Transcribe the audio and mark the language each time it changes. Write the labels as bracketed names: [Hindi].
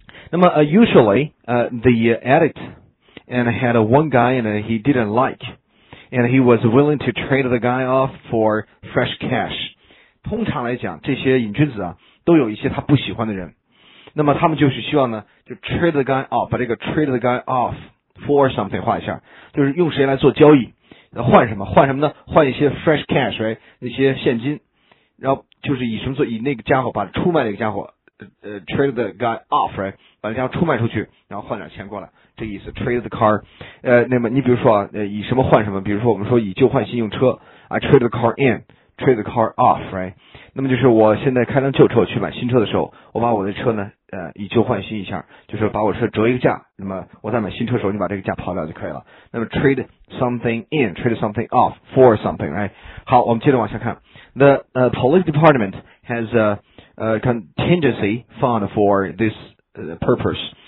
[English] 那么usually, the addict and had one guy and he didn't like, and he was willing to trade the guy off for fresh cash. [Chinese] 通常来讲，这些瘾君子啊，都有一些他不喜欢的人。那么他们就是希望呢，就 [English] trade the guy off, [Chinese] 把这个 [English] trade the guy off for something [Chinese] 画一下，就是用谁来做交易，换什么？换什么呢？换一些 [English] fresh cash, [Chinese] 那些现金，然后就是以什么做？以那个家伙把出卖那个家伙。 [English] Trade the guy off, right? [Chinese] 把这家伙出卖出去，然后换点钱过来，这意思。 [English] Trade the car, [Chinese] 那么你比如说啊，以什么换什么？比如说我们说以旧换新用车啊 ， [English] trade the car in, trade the car off, right? [Chinese] 那么就是我现在开辆旧车去买新车的时候，我把我的车呢，以旧换新一下，就是把我车折一个价。那么我在买新车的时候，你把这个价刨掉就可以了。那么 [English] trade something in, trade something off for something, right? [Chinese] 好，我们接着往下看。 [English] The police department has a contingency fund for this purpose.